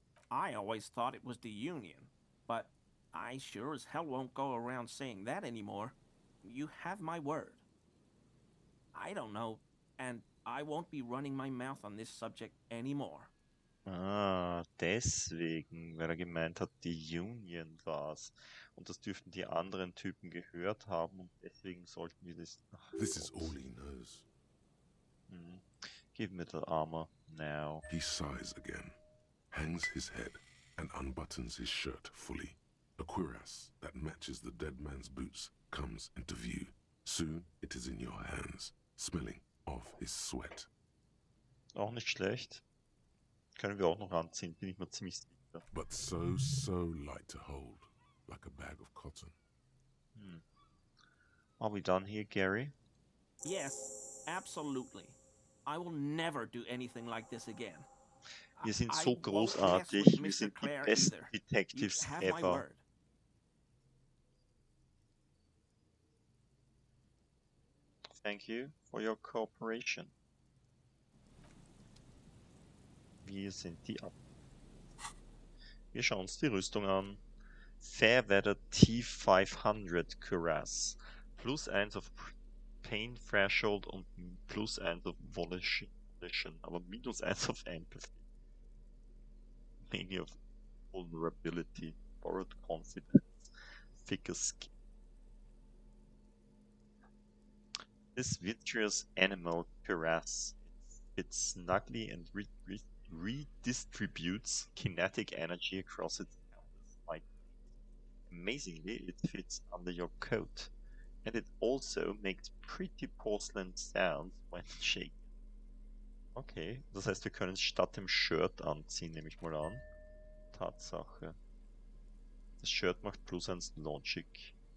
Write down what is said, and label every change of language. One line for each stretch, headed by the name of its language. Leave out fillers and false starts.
English: I always thought it was the Union, but I sure as hell won't go around saying that anymore. You have my word. I don't know, and I won't be running my mouth on this subject anymore.
German: Deswegen, weil gemeint hat, die Union war's. Und das dürften die anderen Typen gehört haben, und deswegen sollten wir das...
English: This is all he knows. Give me the armor now. He sighs again, hangs his head, and unbuttons his shirt fully. A cuirass that matches the dead man's boots comes into view. Soon it is in your hands, smelling of his sweat.
German: Auch nicht schlecht. Können wir auch noch anziehen, bin ich mir ziemlich sicher.
English: But so, so light to hold, like a bag of cotton. Are we done here, Gary? Yes, absolutely. I will never do anything like this again.
German: Wir sind so großartig, wir sind die besten Detectives ever.
English: Thank you for your cooperation.
German: Wir sind die Ab. Wir schauen uns die Rüstung an.
English: Fairweather T500 Cuirass.
German: Plus 1 auf Pain Threshold und plus 1 auf Volition. Aber minus 1 auf Empathy.
English: Many of Vulnerability. Borrowed Confidence. Thicker Skin. This vitreous animal cuirass. It's snugly and redistributes kinetic energy across its countless light. Amazingly, it fits under your coat, and it also makes pretty porcelain sounds when shaken.
German: Okay, das heißt, wir können es statt dem Shirt anziehen, nehme ich mal an. Tatsache. Das Shirt macht plus eins Logic.